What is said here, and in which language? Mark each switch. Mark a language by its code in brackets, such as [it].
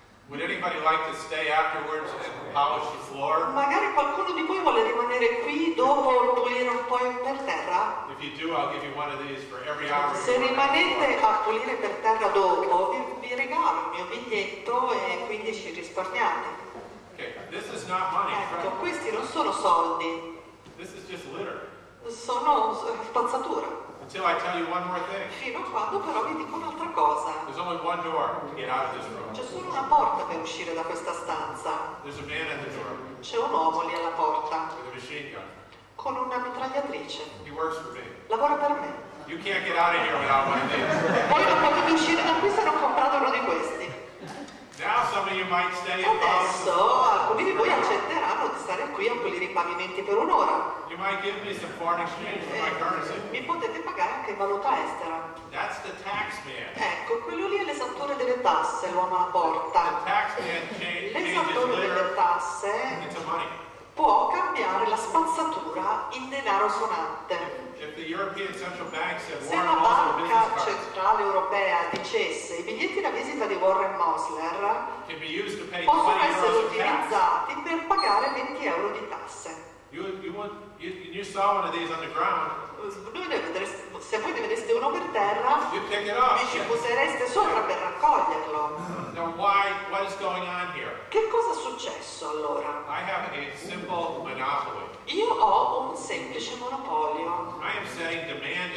[en] Would anybody like to stay afterwards and polish the floor? [it] Magari qualcuno di voi vuole rimanere qui dopo pulire un po' per terra? [en] If you do, I'll give you one of these for every hour. [it] Se rimanete a pulire per terra dopo, vi regalo il mio biglietto e quindi ci risparmiate. [en] Okay, this is not money. [it] Ecco, questi non sono soldi. [en] This is just litter. [it] Sono spazzatura. [en] Until I tell you one more thing. [it] Fino a quando però vi dico un'altra cosa. [en] There's only one door to get out of this room. [it] C'è solo una porta per uscire da questa stanza. [en] There's a man at the door. [it] C'è un uomo lì alla porta. [en] With a machine gun. [it] Con una mitragliatrice. [en] He works for me. [it] Lavora per me. [en] You can't get out of here without one of these. [it] Voi non potete uscire da qui se non comprate uno di questi. [en] Now some of you might stay. [it] Adesso alcuni di voi accetteranno di stare qui a pulire i pavimenti per un'ora. [en] You might give me some foreign exchange for my currency. [it] Mi potete pagare anche in valuta estera. [en] That's the tax man. [it] Ecco, quello lì è l'esattore delle tasse, l'uomo alla porta. [en] The tax man [it] l'esattore delle tasse può cambiare la spazzatura in denaro sonante. [en] If the European Central Bank said, [it] se la banca centrale europea dicesse i biglietti da visita di Warren Mosler possono essere utilizzati per pagare 20 euro di tasse. [en] You saw one of these on the ground. [it] Se voi ne vedeste uno per terra, vi ci posereste sopra per raccoglierlo. [en] Now why, what is going on here? [it] Che cosa è successo allora? [en] I have a simple monopoly. [it] Io ho un semplice monopolio. [en] I am saying demand